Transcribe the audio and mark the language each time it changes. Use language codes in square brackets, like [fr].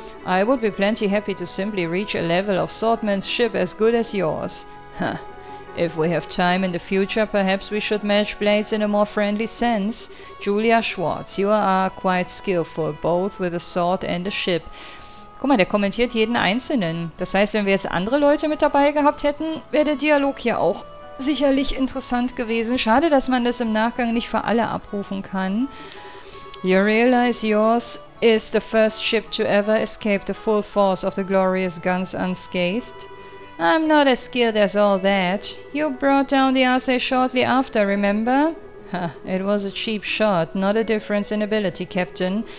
[en] I would be plenty happy to simply reach a level of swordsmanship as good as yours. If we have time in the future, perhaps we should match blades in a more friendly sense. Julia Schwartz, you are quite skillful, both with a sword and a ship. [de] Guck mal, der kommentiert jeden Einzelnen. Das heißt, wenn wir jetzt andere Leute mit dabei gehabt hätten, wäre der Dialog hier auch sicherlich interessant gewesen. Schade, dass man das im Nachgang nicht für alle abrufen kann. [en] You realize yours is the first ship to ever escape the full force of the glorious guns unscathed? I'm not as skilled as all that. You brought down the Arsay shortly after, remember? It was a cheap shot, not a difference in ability, Captain.